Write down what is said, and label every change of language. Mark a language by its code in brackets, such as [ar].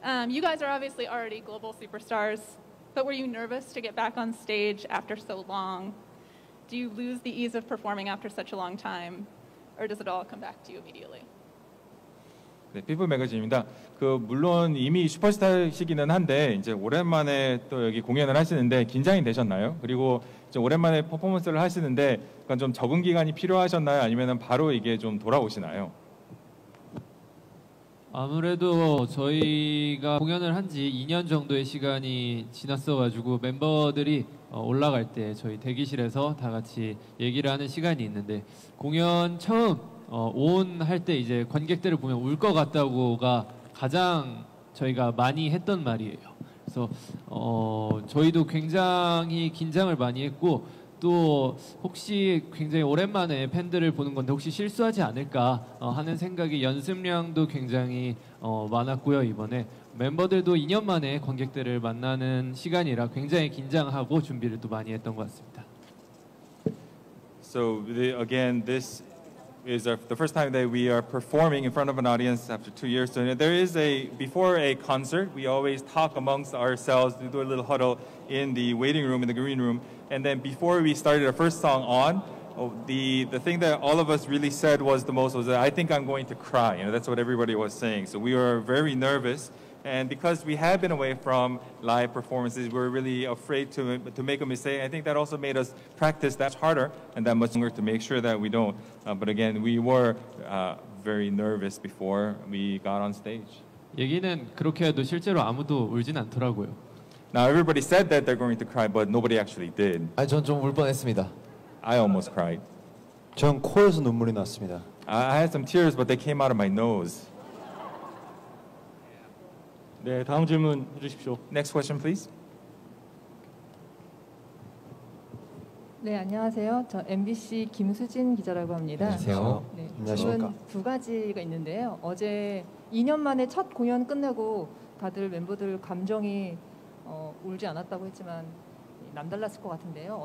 [en] You guys are obviously already global superstars, but were you nervous to get back on stage after so long? Do you lose the ease of performing after such a long time, or does it all come back to you immediately? [ko] 네, 피플 매거진입니다. 물론 이미 슈퍼스타시기는 한데 이제 오랜만에 또 여기 공연을 하시는데 긴장이 되셨나요? 그리고 이제 오랜만에 퍼포먼스를 하시는데 약간 좀 적응 기간이 필요하셨나요? 아니면은 바로 이게 좀 돌아오시나요? 아무래도 저희가 공연을 한 지 2년 정도의 시간이 지났어 가지고 멤버들이 올라갈 때 저희 대기실에서 다 같이 얘기를 하는 시간이 있는데 공연 처음 온 할 때 이제 관객들을 보면 울 것 같다고가 가장 저희가 많이 했던 말이에요. 그래서 저희도 굉장히 긴장을 많이 했고 또 혹시 굉장히 오랜만에 팬들을 보는 건데 혹시 실수하지 않을까 하는 생각이 연습량도 굉장히 많았고요. 이번에 멤버들도 2년 만에 관객들을 만나는 시간이라 굉장히 긴장하고 준비를 또 많이 했던 것 같습니다. [en] So again, this is the first time that we are performing in front of an audience after 2 years. So there is before a concert, we always talk amongst ourselves, we do a little huddle in the waiting room, in the green room. And then before we started our first song on, the thing that all of us really said was the most was that I think I'm going to cry. You know, that's what everybody was saying. So we were very nervous. And because we had been away from live performances, we were really afraid to make a mistake. I think that also made us practice that harder and that much longer to make sure that we don't. But again, we were very nervous before we got on stage. [ko] 얘기는 그렇게 해도 실제로 아무도 울진 않더라고요. [en] Now everybody said that they're going to cry, but nobody actually did. [ko] 아, 전 좀 울 뻔했습니다. [en] I almost cried. [ko] 전 코에서 눈물이 났습니다. [en] I had some tears, but they came out of my nose. [ko] 네, 다음 질문 해주십시오. [en] Next question, please. [ko] 네, 안녕하세요. 저 MBC 김수진 기자라고 합니다. 안녕하세요. 네, 질문 두 가지가 있는데요. 어제 2년 만에 첫 공연 끝내고 다들 멤버들 감정이 울지 않았다고 했지만 남달랐을 것 같은데요.